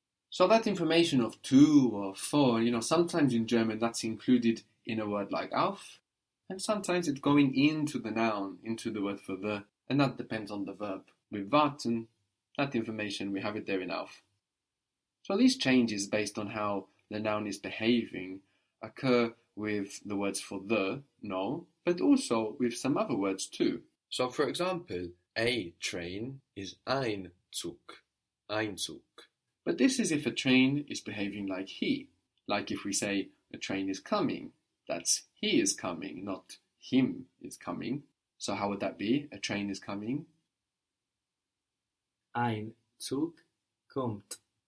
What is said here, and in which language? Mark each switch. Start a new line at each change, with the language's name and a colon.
English: So that information of to or for, you know, sometimes in German that's included in a word like auf, and sometimes it's going into the noun, into the word for the, and that depends on the verb. With warten, that information, we have it there in auf. So these changes based on how the noun is behaving occur with the words for the, no, but also with some other words too. So, for example, a train is
German: ein Zug, ein Zug.
English: But this is if a train is behaving like he. Like if we say a train is coming, that's he is coming, not him is coming. So how would that be? A train is coming.
German: Ein Zug kommt.